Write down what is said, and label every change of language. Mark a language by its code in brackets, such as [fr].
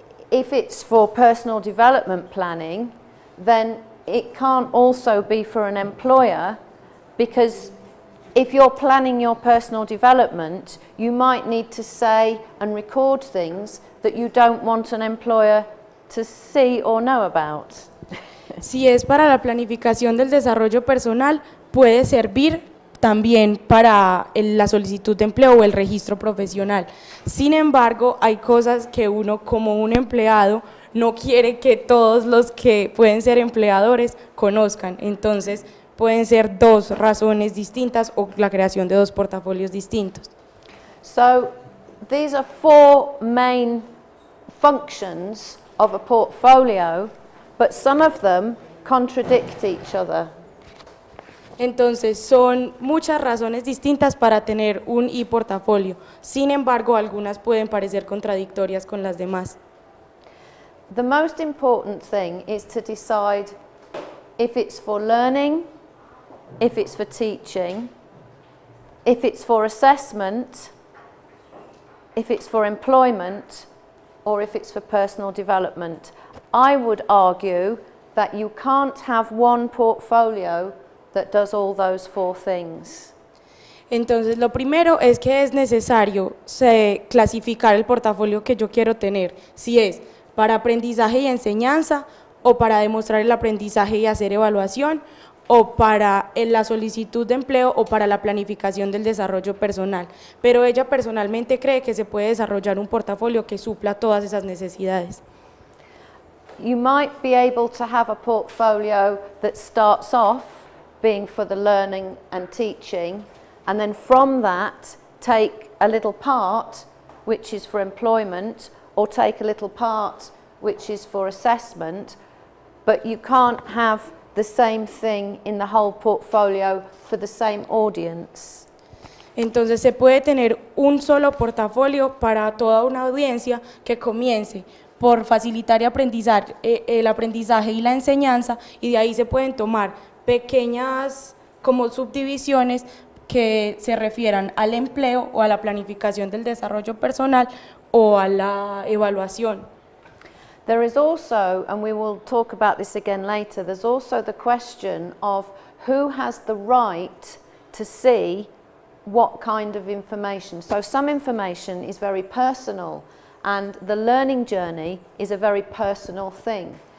[en] If it's for personal development planning, then it can't also be for an employer, because if you're planning your personal development, you might need to say and record things that you don't want an employer to see or know about. [es] Si es para la planificación del desarrollo personal, puede servir también para la solicitud de empleo o el registro profesional. Sin embargo, hay cosas que uno, como un empleado, no quiere que todos los que pueden ser empleadores conozcan. Entonces, pueden ser dos razones distintas o la creación de dos portafolios distintos. [en] So, these are four main functions of a portfolio, but some of them contradict each other. [es] Entonces, son muchas razones distintas para tener un e-portafolio. Sin embargo, algunas pueden parecer contradictorias con las demás. [en] The most important thing is to decide if it's for learning, if it's for teaching, if it's for assessment, if it's for employment, or if it's for personal development. I would argue that you can't have one portfolio that does all those four things. [es] Entonces, lo primero es que es necesario clasificar el portafolio que yo quiero tener, si es para aprendizaje y enseñanza, o para demostrar el aprendizaje y hacer evaluación, o para la solicitud de empleo o para la planificación del desarrollo personal, pero ella personalmente cree que se puede desarrollar un portafolio que supla todas esas necesidades. [en] You might be able to have a portfolio that starts off being for the learning and teaching, and then from that take a little part which is for employment, or take a little part which is for assessment, but you can't have the same thing in the whole portfolio for the same audience. [es] Entonces se puede tener un solo portafolio para toda una audiencia que comience por facilitar y aprendizar el aprendizaje y la enseñanza, y de ahí se pueden tomar pequeñas como subdivisiones que se refieran al empleo o a la planificación del desarrollo personal o a la evaluación. [en] There is also, and we will talk about this again later, there's also the question of who has the right to see what kind of information. So some information is very personal, and the learning journey is a very personal thing.